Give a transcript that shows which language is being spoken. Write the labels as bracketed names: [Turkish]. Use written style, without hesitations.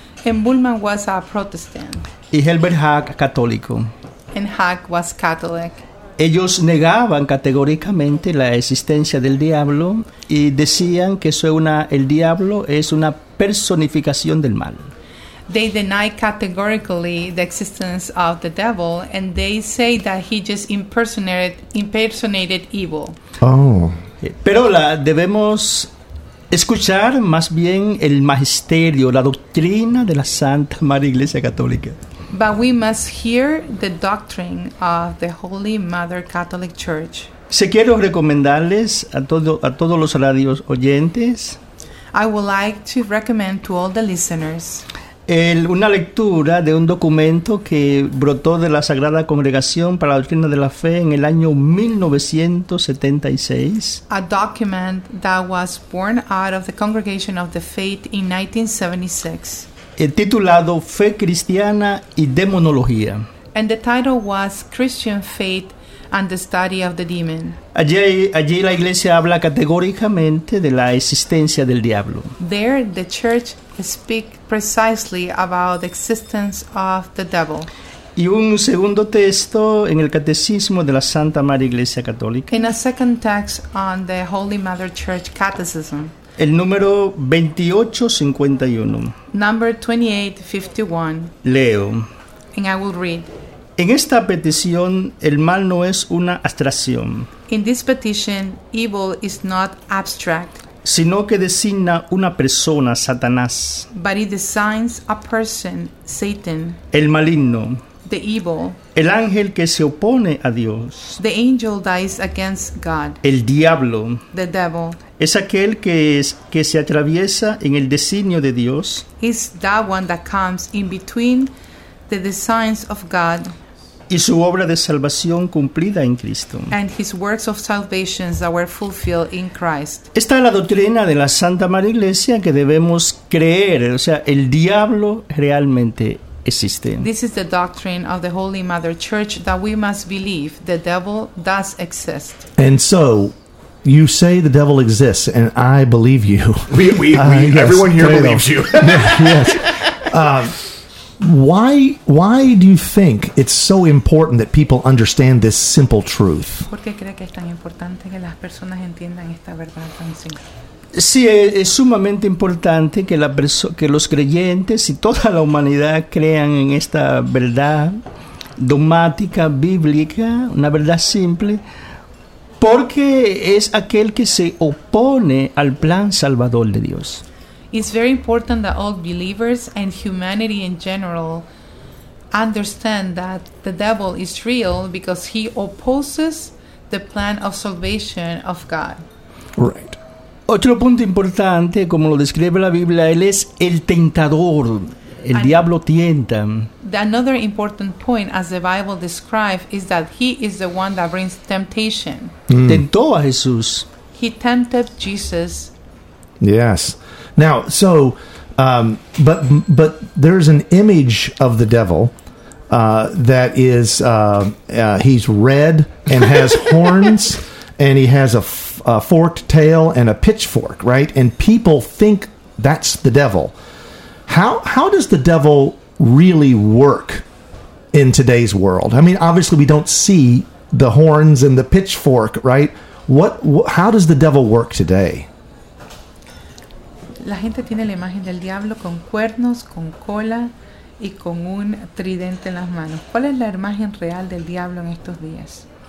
[English] And Bullman was a protestant. [Spanish] Y Herbert Hag, católico. [English] And Hag was Catholic. [Spanish] Ellos negaban categóricamente la existencia del diablo y decían que el diablo es una personificación del mal. [English] They deny categorically the existence of the devil, and they say that he just impersonated evil. Oh. [Spanish] Pero debemos escuchar más bien el magisterio, la doctrina de la Santa Madre Iglesia Católica. [English] But we must hear the doctrine of the Holy Mother Catholic Church. [Spanish] Se quiero recomendarles a todos los radio oyentes. [English] I would like to recommend to all the listeners [Spanish] una lectura de un documento que brotó de la Sagrada Congregación para la Doctrina de la Fe en el año 1976. [English] A document that was born out of the Congregation of the Faith in 1976. [Spanish] Titulado Fe Cristiana y Demonología. [English] And the title was Christian Faith and the Study of the Demon. [Spanish] Allí la iglesia habla categóricamente de la existencia del diablo. [English] There the church speaks precisely about the existence of the devil. [Spanish] Y un segundo texto en el Catecismo de la Santa Madre Iglesia Católica. [English] In a second text on the Holy Mother Church Catechism. [Spanish] El número 2851. [English] Number 2851. [Spanish] Leo. [English] And I will read. [Spanish] En esta petición, el mal no es una abstracción. [English] In this petition, evil is not abstract, [Spanish] sino que designa una persona, Satanás. [English] But it designs a person, Satan. [Spanish] El maligno. [English] The evil. [Spanish] El ángel que se opone a Dios. [English] The angel that is against God. [Spanish] El diablo. [English] The devil. [Spanish] Es aquel que se atraviesa en el designio de Dios. [English] He's that one that comes in between the designs of God. [Spanish] Y su obra de salvación cumplida en Cristo. [English] And his works of salvation that were fulfilled in Christ. [Spanish] Esta es la doctrina de la Santa Madre Iglesia que debemos creer. O sea, el diablo realmente existe. [English] This is the doctrine of the Holy Mother Church that we must believe the devil does exist. And so, you say the devil exists, and I believe you. Everyone here believes you. Yes. Why do you think it's so important that people understand this simple truth? [Spanish] ¿Por qué cree que es tan importante que las personas entiendan esta verdad tan simple? Sí, es sumamente importante que los creyentes y toda la humanidad crean en esta verdad dogmática, bíblica, una verdad simple, porque es aquel que se opone al plan salvador de Dios. [English] It's very important that all believers and humanity in general understand that the devil is real because he opposes the plan of salvation of God. Right. [Spanish] Otro punto importante, como lo describe la Biblia, él es el tentador. El diablo tienta. [English] Another important point, as the Bible describes, is that he is the one that brings temptation. [Spanish] Mm. Tentó a Jesús. [English] He tempted Jesus. Yes. Now, so, but there's an image of the devil that is, he's red and has horns, and he has a forked tail and a pitchfork, right? And people think that's the devil. How does the devil really work in today's world? I mean, obviously we don't see the horns and the pitchfork, right? How does the devil work today? [Spanish] La gente tiene la imagen del diablo con cuernos, con cola y con un tridente en las manos. ¿Cuál es la imagen real del diablo en estos días?